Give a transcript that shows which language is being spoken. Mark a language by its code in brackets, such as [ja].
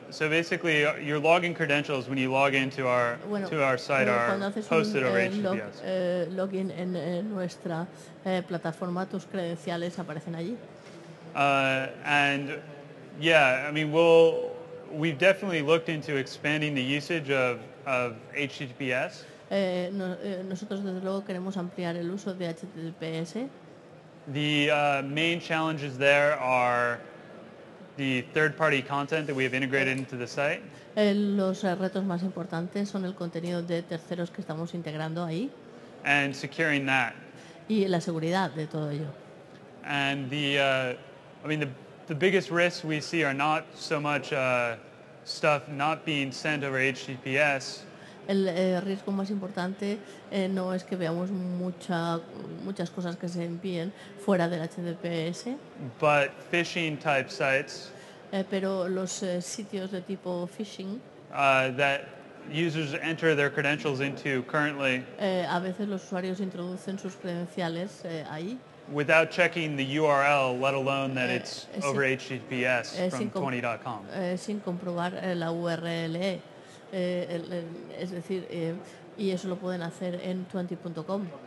[en] So basically, your login credentials when you log into our to our site are posted over HTTPS. [es] Login en nuestra plataforma, tus credenciales aparecen allí. [en] And yeah, I mean, we've definitely looked into expanding the usage of HTTPS. [es] Nosotros desde luego queremos ampliar el uso de HTTPS. [en] The main challenges there are the third-party content that we have integrated into the site. [es] Los retos más importantes son el contenido de terceros que estamos integrando ahí. [en] And securing that. [es] Y la seguridad de todo ello. [en] And the biggest risks we see are not so much stuff not being sent over HTTPS. [es] El riesgo más importante no es que veamos muchas cosas que se envíen fuera del HTTPS. [en] But phishing type sites. [es] Pero los sitios de tipo phishing. [en] That users enter their credentials into currently. [es] A veces los usuarios introducen sus credenciales ahí. [en] Without checking the URL, let alone that it's over HTTPS from 20.com. [es] Sin comprobar la URL. Es decir, y eso lo pueden hacer en 20.com.